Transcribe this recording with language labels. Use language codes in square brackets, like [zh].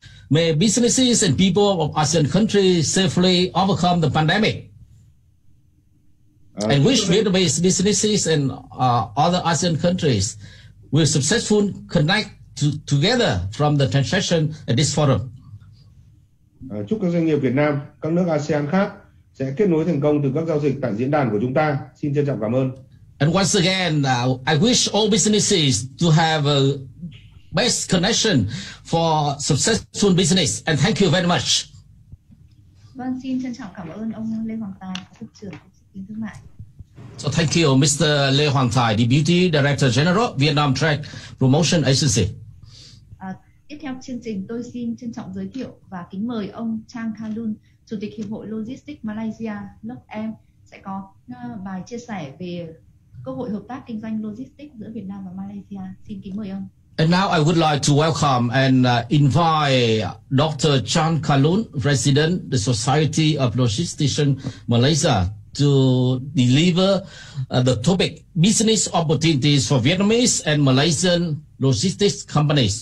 [en] May businesses and people of ASEAN countries safely overcome the pandemic. And wish Vietnamese businesses and other ASEAN countries will successfully connect together from the transaction at this forum. [vi] Chúc các doanh nghiệp Việt Nam, các nước ASEAN khác sẽ kết nối thành công từ các giao dịch tại diễn đàn của chúng ta. Xin trân trọng cảm ơn. [en] And once again, I wish all businesses to have a best connection for successful business. And thank you very much. [vi] Vâng, xin trân trọng cảm ơn ông Lê Hoàng Tài, Cục trưởng [en] So thank you, Mr. Lê Hoàng Thái, Deputy Director General, Vietnam Trade Promotion Agency. [vi] Tiếp theo chương trình, tôi xin trân trọng giới thiệu và kính mời ông Chang Kha Lun, Chủ tịch Hiệp hội Logistics Malaysia, Lok Em, sẽ có bài chia sẻ về cơ hội hợp tác kinh doanh logistics giữa Việt Nam và Malaysia. Xin kính mời ông. [en] And now I would like to welcome and invite Dr. Chang Kha Lun, President of the Society of Logisticians Malaysia, to deliver the topic business opportunities for Vietnamese and Malaysian logistics companies.